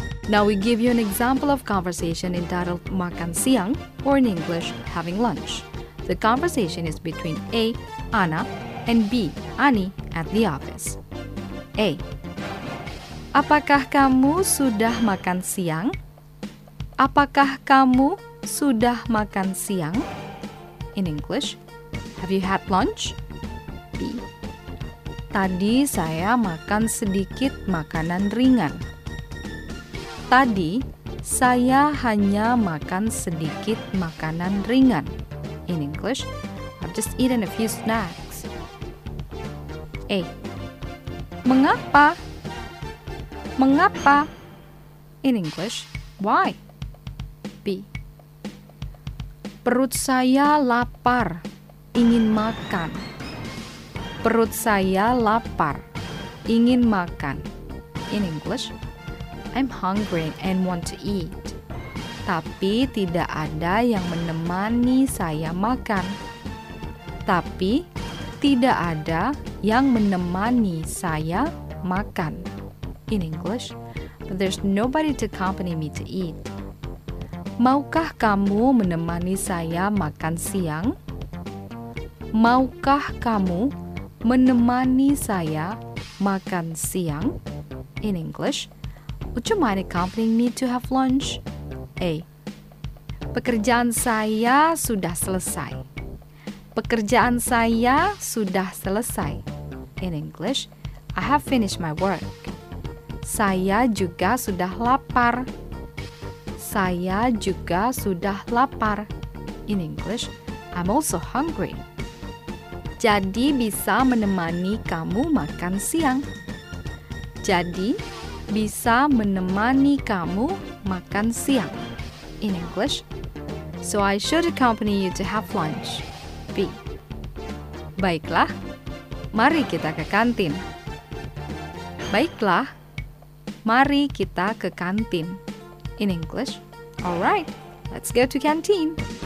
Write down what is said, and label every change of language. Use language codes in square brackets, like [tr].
[en] Now we give you an example of conversation entitled Makan Siang, or in English, Having Lunch. The conversation is between A, Anna, and B, Ani, at the office. A. [id] Apakah kamu sudah makan siang? Apakah kamu sudah makan siang? [en] In English, have you had lunch? B. [id] Tadi saya makan sedikit makanan ringan. Tadi saya hanya makan sedikit makanan ringan. [en] In English, I've just eaten a few snacks. [id] A. Mengapa? Mengapa? [en] In English, why? B. [id] Perut saya lapar, ingin makan. Perut saya lapar, ingin makan. [en] In English, I'm hungry and want to eat. [id] Tapi tidak ada yang menemani saya makan. Tapi tidak ada yang menemani saya makan. [en] In English, but there's nobody to accompany me to eat. [id] Maukah kamu menemani saya makan siang? Maukah kamu menemani saya makan siang? [en] In English, would you mind accompanying me to have lunch? A. [id] Pekerjaan saya sudah selesai. Pekerjaan saya sudah selesai. [en] In English, I have finished my work. [id] Saya juga sudah lapar. Saya juga sudah lapar. [en] In English, I'm also hungry. [id] Jadi bisa menemani kamu makan siang. Jadi bisa menemani kamu makan siang. [en] In English, so I should accompany you to have lunch. B. [id] Baiklah, mari kita ke kantin. Baiklah, mari kita ke kantin. [en] In English, alright, let's go to canteen.